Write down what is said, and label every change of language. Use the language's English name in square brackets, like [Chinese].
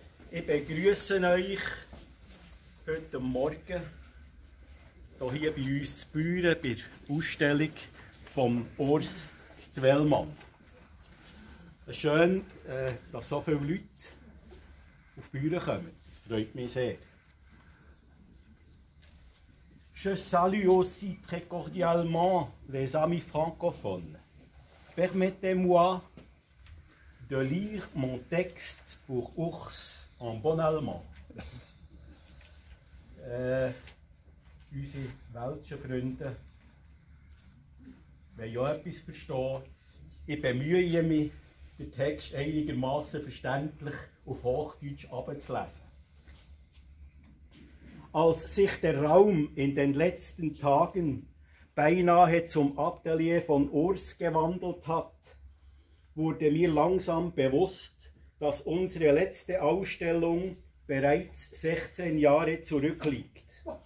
[German] Ich begrüße euch heute Morgen hier bei uns zu Büren, bei der Ausstellung von Urs Dwellmann. Es ist schön, dass so viele Leute auf Büren kommen. Das freut mich sehr. [French] Je salue aussi très cordialement les amis francophones. Permettez-moi de lire mon texte pour Urs en bon allemand. [German] Unsere weltschen Freunde wollen ja etwas verstehen. Ich bemühe mich, den Text einigermaßen verständlich auf Hochdeutsch abzulesen. Als sich der Raum in den letzten Tagen beinahe zum Atelier von Urs gewandelt hat, wurde mir langsam bewusst, dass unsere letzte Ausstellung bereits 16 Jahre zurückliegt.